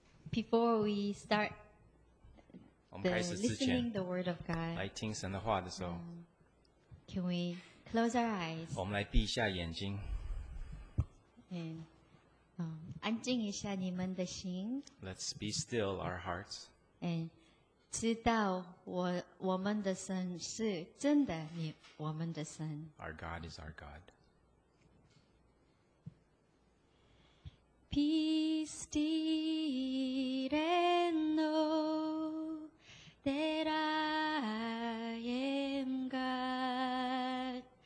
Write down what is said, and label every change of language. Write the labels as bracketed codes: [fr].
[en] Before we start listening the word of God, [zh] 来听神的话的时候 [en] can we close our eyes? [zh] 我们来闭一下眼睛。安静一下你们的心。 [en] Let's be still our hearts. [zh] And 知道我们的神是真的我们的神。 [en] Our God is our God. Be still and know that I am God.